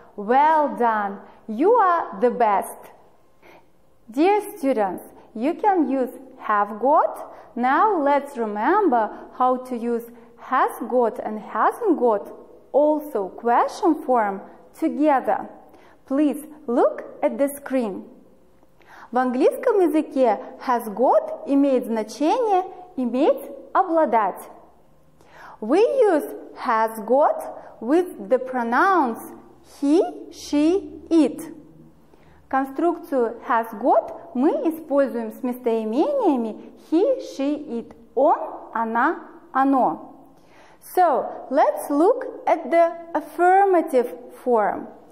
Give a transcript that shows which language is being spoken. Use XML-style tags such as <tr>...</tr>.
<en>Well done! You are the best! Dear students, you can use have got. Now let's remember how to use has got and hasn't got, also question form, together. Please look at the screen.</en> <ru>В английском языке has got имеет значение иметь, обладать.</ru> <en>We use has got with the pronouns he, she, it.</en> <ru>Конструкцию has got мы используем с местоимениями he, she, it. Он, она, оно.</ru> <en>So, let's look at the affirmative form.</en>